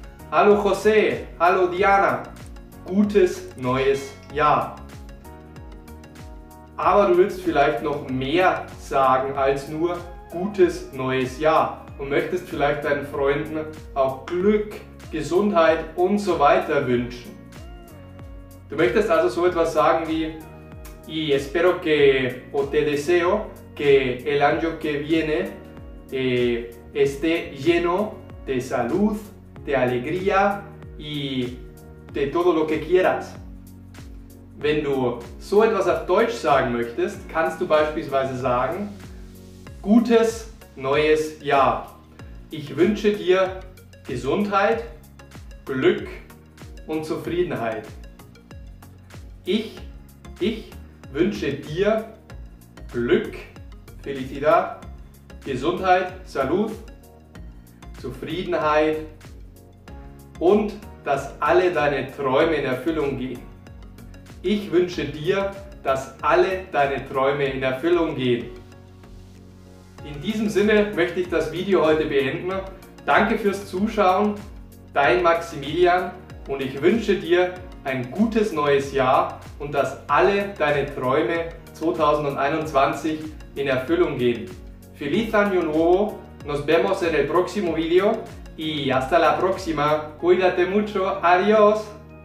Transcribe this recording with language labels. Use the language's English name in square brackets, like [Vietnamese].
[German] Hallo José, hallo Diana, gutes neues Jahr. Aber du willst vielleicht noch mehr sagen als nur gutes neues Jahr und möchtest vielleicht deinen Freunden auch Glück, Gesundheit und so weiter wünschen. Du möchtest also so etwas sagen wie [Spanish] Y espero que o te deseo que el año que viene esté lleno de salud, de alegría y de todo lo que quieras. [German] Wenn du so etwas auf Deutsch sagen möchtest, kannst du beispielsweise sagen, gutes neues Jahr. Ich wünsche dir Gesundheit, Glück und Zufriedenheit. Ich wünsche dir Glück, Felicidad, Gesundheit, Salud, Zufriedenheit, und dass alle deine Träume in Erfüllung gehen. Ich wünsche dir, dass alle deine Träume in Erfüllung gehen. In diesem Sinne möchte ich das Video heute beenden. Danke fürs Zuschauen, dein Maximilian. Und ich wünsche dir ein gutes neues Jahr und dass alle deine Träume 2021 in Erfüllung gehen. [Spanish] Feliz Año Nuevo, nos vemos en el próximo video. Y hasta la próxima. Cuídate mucho. Adiós.